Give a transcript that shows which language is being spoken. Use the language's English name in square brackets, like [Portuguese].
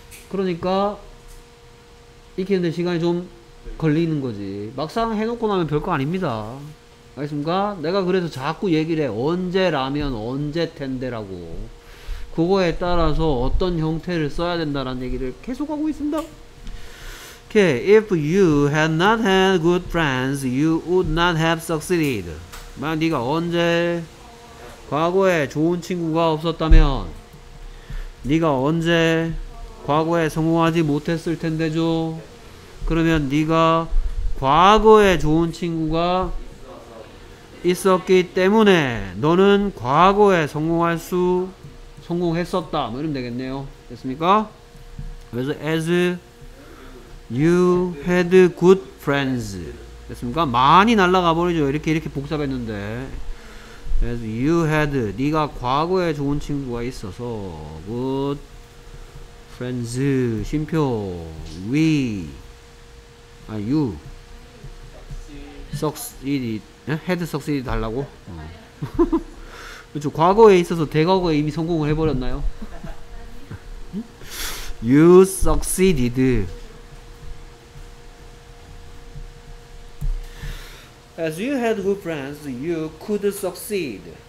[Korean] 그러니까 익히는데 시간이 좀 걸리는 거지. 막상 해놓고 나면 별거 아닙니다. 알겠습니까? 내가 그래서 자꾸 얘기를 해. 언제라면 언제텐데라고. 그거에 따라서 어떤 형태를 써야 된다라는 얘기를 계속하고 있습니다. [English] Okay, if you had not had good friends, you would not have succeeded. [Korean] 만약 네가 언제 과거에 좋은 친구가 없었다면 네가 언제 과거에 성공하지 못했을 텐데죠. 그러면 네가 과거에 좋은 친구가 있었기 때문에 너는 과거에 성공했었다. 뭐 이러면 되겠네요. 됐습니까? 그래서 [English] as you had good friends. [Korean] 됐습니까? 많이 날라가 버리죠. 이렇게 복잡했는데. [English] As you had, [Korean] 네가 과거에 좋은 친구가 있어서 [English] good friends. [Korean] 쉼표. We. [English] 아, you succeeded. 예? had succeeded [Korean] 달라고? 그렇죠. 과거에 있어서 대과거에 이미 성공을 해버렸나요? [English] You succeeded as you had good friends, you could succeed.